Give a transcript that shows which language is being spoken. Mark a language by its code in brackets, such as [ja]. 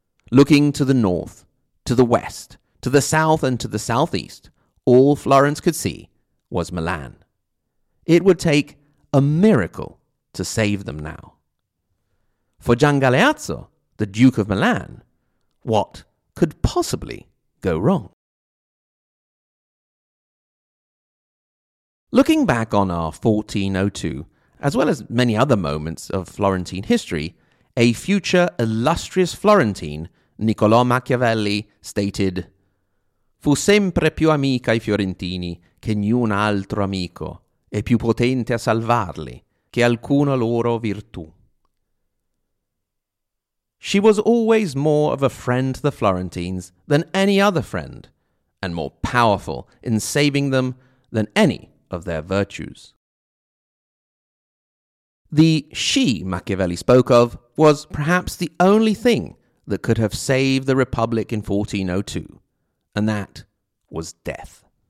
[en] Looking to the north, to the west, to the south and to the southeast, all Florence could see was Milan. It would take a miracle to save them now. For Gian Galeazzo, the Duke of Milan, what could possibly go wrong? Looking back on our 1402, as well as many other moments of Florentine history, a future illustrious Florentine, Niccolò Machiavelli, stated, [it] "Fu sempre più amica ai Fiorentini che niun altro amico, e più potente a salvarli che alcuna loro virtù." [en] She was always more of a friend to the Florentines than any other friend, and more powerful in saving them than any of their virtues. The she Machiavelli spoke of was perhaps the only thing that could have saved the Republic in 1402, and that was death.